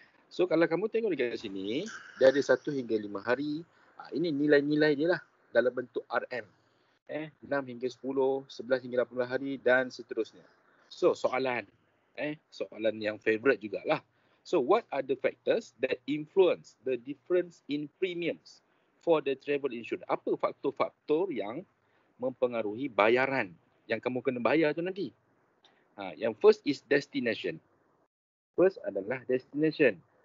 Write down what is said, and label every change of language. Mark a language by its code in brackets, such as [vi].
[ms] So kalau kamu tengok dekat sini, dia ada 1 hingga 5 hari. Ini nilai-nilai dia lah dalam bentuk RM. 6 hingga 10, 11 hingga 80 hari dan seterusnya. So soalan. Soalan yang favourite jugalah. [en] So what are the factors that influence the difference in premiums for the travel insurance? [ms] Apa faktor-faktor yang mempengaruhi bayaran yang kamu kena bayar tu nanti? [en] Yang first is destination. First adalah destination.